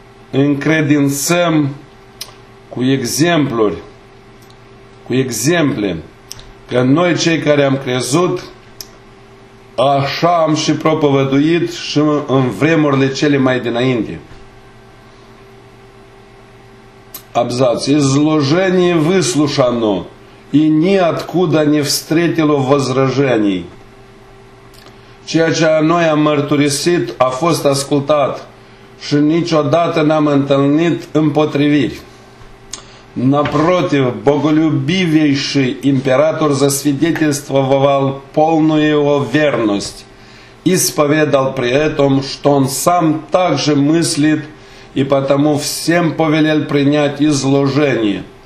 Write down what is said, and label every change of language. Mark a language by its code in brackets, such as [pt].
[ro] încredințăm cu exempluri, cu exemple, că noi cei care am crezut, așa am și propovăduit și în vremurile cele mai dinainte. [ru] Абзац. Изложение выслушано, и ниоткуда не встретило возражений. [ro] Ceea ce noi am mărturisit a fost ascultat și niciodată n-am întâlnit împotriviri. [ru] Напротив, боголюбивейший император засвидетельствовал полную его верность, исповедал при этом, что он сам также мыслит и потому всем повелел принять изложение,